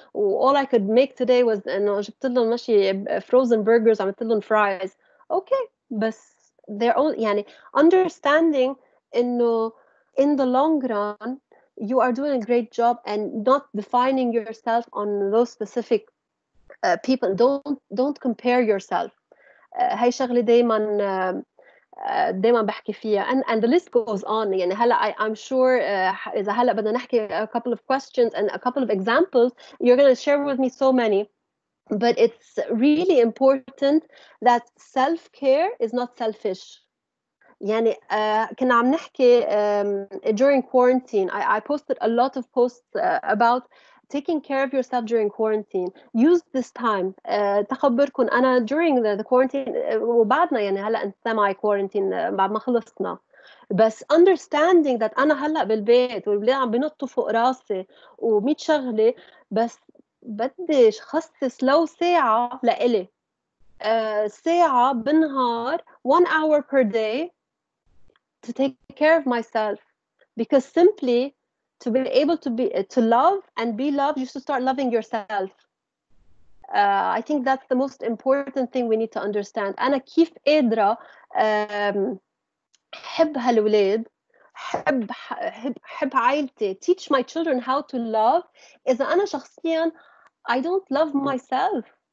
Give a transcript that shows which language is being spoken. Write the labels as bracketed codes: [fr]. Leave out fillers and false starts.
[en] All I could make today was [ar] جبت لهم ماشي [en] frozen burgers, [ar] عملت لهم [en] fries. Okay, [ar] بس [en] they're all, [ar] يعني [en] understanding in the long run, you are doing a great job and not defining yourself on those specific people. Don't compare yourself. [ar] هاي شغلة دايما بحكي فيها. [en] And the list goes on. [ar] يعني هلأ [en] I'm sure [ar] إذا هلأ بدنا نحكي [en] a couple of questions and a couple of examples, you're going to share with me so many. But it's really important that self-care is not selfish. [ar] يعني كنا عم نحكي [en] during quarantine. I posted a lot of posts about taking care of yourself during quarantine. Use this time. [ar] تخبركن أنا [en] during the quarantine [ar] وبعدنا يعني هلا [en] in semi quarantine [ar] بعد ما خلصنا. بس [en] understanding that [ar] أنا هلا بالبيت والبلاد عم بنطوا فوق راسي وميت شغلة بس بدي خصص لو ساعة لإلي. ساعة بنهار, [en] 1 hour per day to take care of myself, because simply to be able to be to love and be loved, you should start loving yourself. I think that's the most important thing we need to understand. [ar] أنا كيف قادرة حب هالولاد, حب عائلتي, [en] teach my children how to love. [ar] إذا أنا شخصيا [en] I don't love myself.